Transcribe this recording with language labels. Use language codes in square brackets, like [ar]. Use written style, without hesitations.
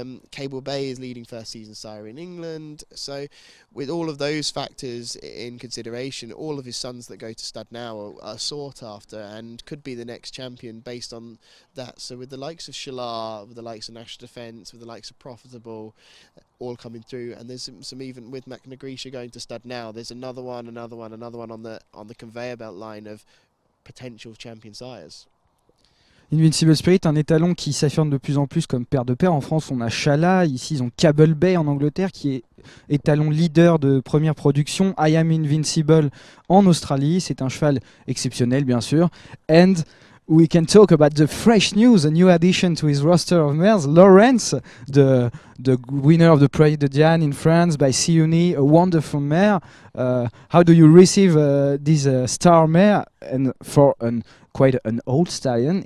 [en] Cable Bay is leading first season sire in England. So with all of those factors in consideration, all of his sons that go to stud now are sought after and could be the next champion based on that. So with the likes of Shalar, with the likes of National Defence, with the likes of Profitable all coming through, and there's some even with Magna Grecia going to stud now, there's another one on the conveyor belt line of potential champion sires. [fr] Invincible Spirit, un étalon qui s'affirme de plus en plus comme père de père. En France, on a Shala, ici ils ont Cable Bay en Angleterre, qui est étalon leader de première production. I am Invincible en Australie, c'est un cheval exceptionnel bien sûr. [en] And we can talk about the fresh news, a new addition to his roster of mares, Lawrence, the winner of the Prix de Diane in France by Siouni, a wonderful mare. How do you receive this star mare and for quite an old stallion?